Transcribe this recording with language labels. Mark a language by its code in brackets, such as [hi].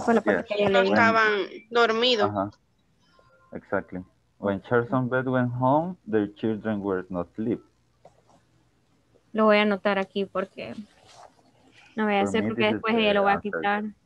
[es] fue la parte que ya leí. No estaban dormidos. [en] Uh-huh. Exactly. When Charles and Beth went home, their children were not asleep. [es] Lo voy a anotar aquí porque no voy a hacer porque después ella lo va a quitar.